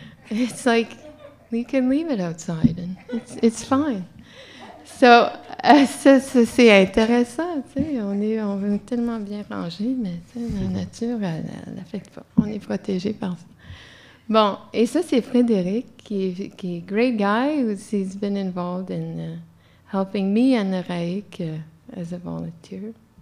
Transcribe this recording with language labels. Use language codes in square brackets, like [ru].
[en] It's like, you can leave it outside, and it's fine. [fr] So, ça, c'est intéressant, tu sais. On est tellement bien rangés, mais tu sais, la nature, elle n'affecte pas. On est protégés par ça. Bon, et ça, c'est Frédéric, qui est [en] a great guy, who's been involved in helping me and the RAIC as a volunteer.